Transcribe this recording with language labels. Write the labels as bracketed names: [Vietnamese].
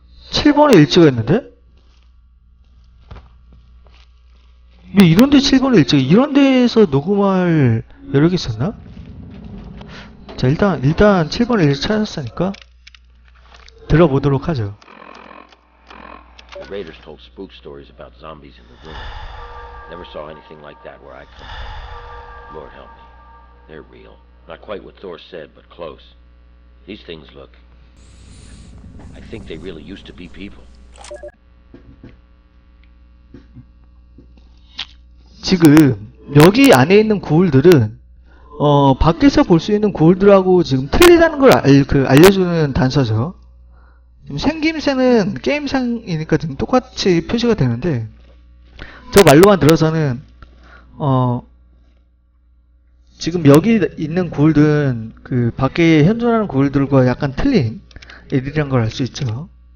[Korean] 7번에 일지가 있는데? 왜 이런데 7번에 일지가 이런데에서 녹음할 여력이 있었나? 자 일단 7번에 일지 찾았으니까 들어보도록 하죠. [English] The Raiders told spook stories about zombies in the room. Never saw anything like that where I come from. Lord help me. They're real. Not quite what Thor said, but close. These things look. I think they really used to be people. [Korean] 지금 여기 안에 있는 구울들은 밖에서 볼 수 있는 구울들하고 지금 틀리다는 걸 알려주는 단서죠. 지금 생김새는 게임상이니까 지금 똑같이 표시가 되는데 저 말로만 들어서는 지금 여기 있는 구울들은 그 밖에 현존하는 구울들과 약간 틀린 애들이란 걸 알 수 있죠.